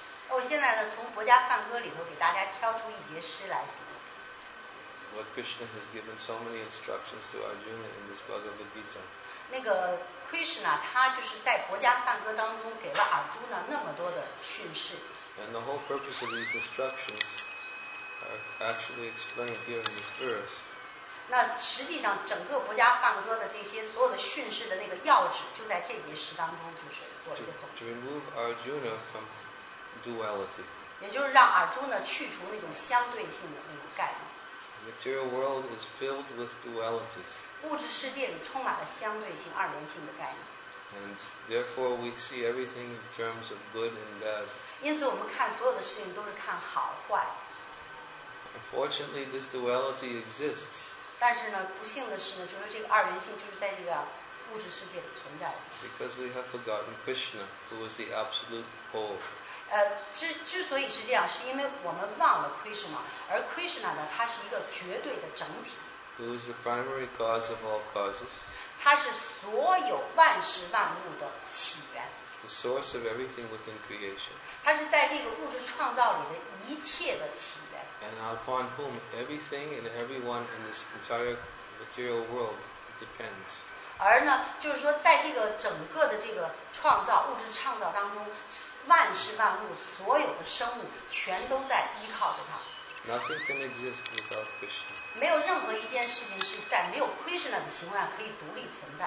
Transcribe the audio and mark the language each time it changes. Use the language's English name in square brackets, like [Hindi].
[Chinese] 我现在呢，从《国家梵歌》里头给大家挑出一节诗来。 [English] What Krishna has given so many instructions to Arjuna in this Bhagavad Gita? [Chinese] 那个 Krishna 他就是在《国家梵歌》当中给了 Arjuna 那么多的训示。 [English] And the whole purpose of these instructions are actually explained here in this verse. [Chinese] 那实际上，整个《国家梵歌》的这些所有的训示的那个要旨，就在这节诗当中就是。 [English] To remove Arjuna from duality. [Chinese] 也就是让 Arjuna 去除那种相对性的那种概念。 [English] The material world is filled with dualities. [Chinese] 物质世界里充满了相对性、二元性的概念。 [English] And therefore, we see everything in terms of good and bad. [Chinese] 因此，我们看所有的事情都是看好坏。 [English] Unfortunately, this duality exists. [Chinese] 但是呢，不幸的是呢，就是这个二元性就是在这个。物质世界的存在。 [English] Because we have forgotten Krishna, who is the absolute whole. [Chinese] 之所以是这样，是因为我们忘了 Krishna, 而 Krishna 呢，它是一个绝对的整体。 [English] Who is the primary cause of all causes? [Chinese] 它是所有万事万物的起源。 [English] The source of everything within creation. [Chinese] 它是在这个物质创造里的一切的起源。 [English] And upon whom everything and everyone in this entire material world depends. [Chinese] 而呢，就是说，在这个整个的这个创造物质创造当中，万事万物所有的生物全都在依靠着它。 [English] Nothing can exist without Krishna. [Chinese] 没有任何一件事情是在没有 Krishna 的情况下可以独立存在。